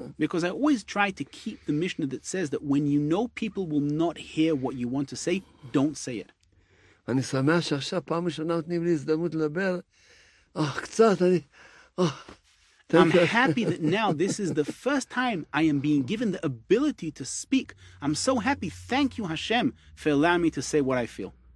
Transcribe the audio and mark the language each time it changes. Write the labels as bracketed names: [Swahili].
[English] Because I always try to keep the Mishnah that says that when you know people will not hear what you want to say, don't say it. [Hebrew] אני שמח שעכשיו פעם ראשונה נותנים לי הזדמנות לדבר. אה, קצת, אני, [English] I'm happy that now this is the first time I am being given the ability to speak. I'm so happy. Thank you, Hashem, for allowing me to say what I feel.